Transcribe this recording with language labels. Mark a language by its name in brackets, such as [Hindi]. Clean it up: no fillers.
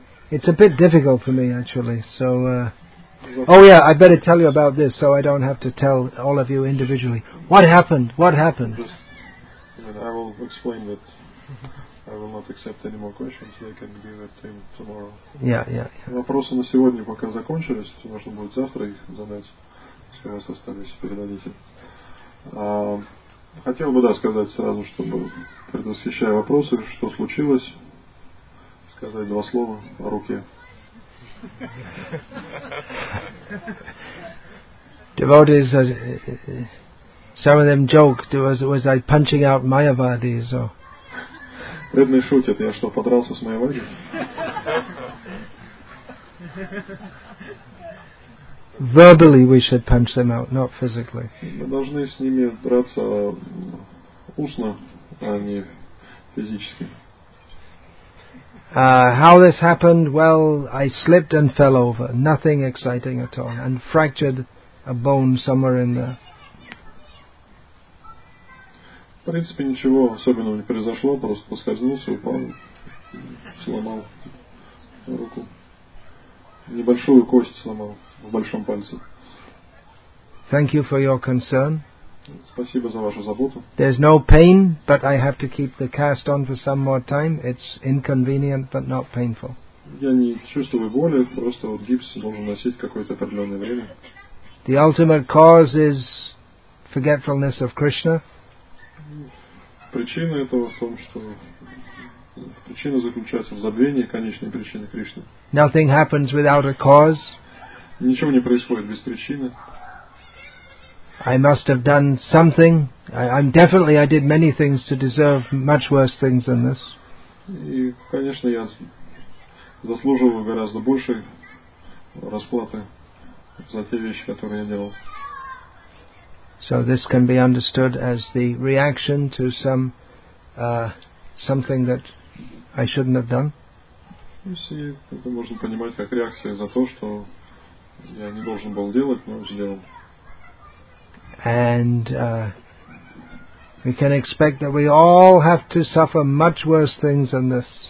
[English] It's a bit difficult for me, actually, so... Oh, yeah, I better tell you about this, so I don't have to tell all of you individually. What happened? What happened? I will explain that I will not accept any more questions. They can give it to him tomorrow. Yeah. [Russian] Вопросы на сегодня пока закончились, то можно будет завтра их задать, если у вас остались, передадите. Хотел бы, да, сказать сразу, чтобы, предвосхищая вопросы, что случилось... сказать два слова о руке. [English] Devotees, some of them joke, was I punching out Mayavadis? [Russian] Преданные шутят, я что, подрался с Майавади? [English] Verbally we should punch them out, not physically. [Russian] Мы должны с ними драться устно, а не физически. [English] How this happened? Well, I slipped and fell over. Nothing exciting at all. And fractured a bone somewhere in there. [Russian] В принципе, ничего особенного не произошло. Просто поскользнулся, упал, сломал руку. Небольшую кость сломал в большом пальце. [English] Thank you for your concern. [Russian] Спасибо за вашу заботу. [English] There's no pain, but I have to keep the cast on for some more time. It's inconvenient, but not painful. [Russian] Я не чувствую боли, просто вот гипс должен носить какое-то определенное время. [English] The ultimate cause is forgetfulness of Krishna. [Russian] Причина этого в том, что причина заключается в забвении, конечной причины Кришны. [English] Nothing happens without a cause. [Russian] Ничего не происходит без причины. [English] I must have done something. I did many things to deserve much worse things than this. [Russian] И, конечно, я заслуживаю гораздо большей расплаты за те вещи, которые я делал. [English] So this can be understood as the reaction to some something that I shouldn't have done. [Russian] Это можно понимать как реакция за то, что я не должен был делать, но сделал. [English] And we can expect that we all have to suffer much worse things than this.